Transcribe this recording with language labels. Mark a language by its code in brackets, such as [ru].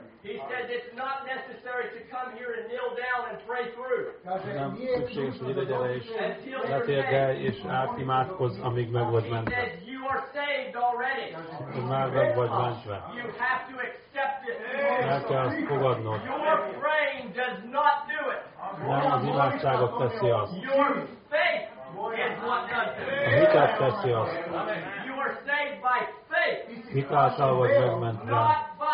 [en] He said it's not necessary to come here and kneel down and pray through. [hu] Nem szükséges, hogy ide gyere is. Letérdelj és átimádkozz, amíg meg vagy mentve. [en] He said you are saved already. [hu] Már meg vagy mentve. [en] You have to accept it. [hu] El kell azt fogadnod. [en] Your praying does not do it. [hu] Nem az imádságot teszi azt. [en] Your faith is what does it. [hu] A hitet teszi azt. [en] You are saved by faith. [hu] Hit által vagy megmentve.